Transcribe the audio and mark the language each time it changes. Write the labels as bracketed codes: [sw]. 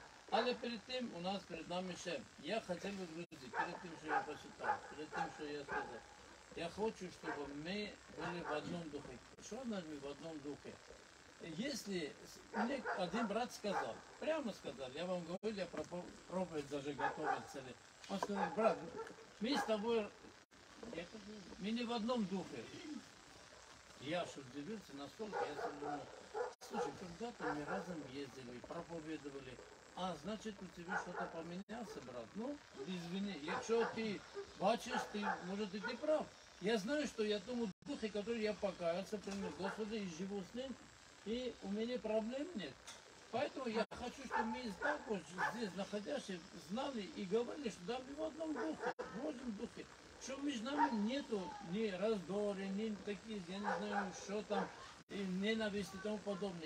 [uk] Але перед тим у нас перед нами ще, [ru] я хотел бы, друзья, перед тем, что я посчитал, перед тем, что я сказал. [uk] Я хочу, щоб ми були в одному духі. Що ми в одному духі? Якщо один брат сказав, прямо сказав, я вам говорив, я проповідь даже готовий цілий. Він сказав, брат, ми з тобою, ми не в одному духі. Я ж удивився, настільки, я сам думав, [ru] слушай, когда-то [uk] ми разом їздили, проповідували. А, значить, у тебе щось помінялося, брат? [ru] Ну, извини, [uk] якщо ти бачиш, ти, може, ти не прав. [ru] Я знаю, что я тому духе, который я покаялся, принял Господа и живу с ним, и у меня проблем нет. Поэтому я хочу, чтобы мы так вот здесь находящиеся знали и говорили, что да, мы в одном духе, в одном духе. Что между нами нету ни раздоры, ни таких, я не знаю, что там, и ненависти и тому подобное.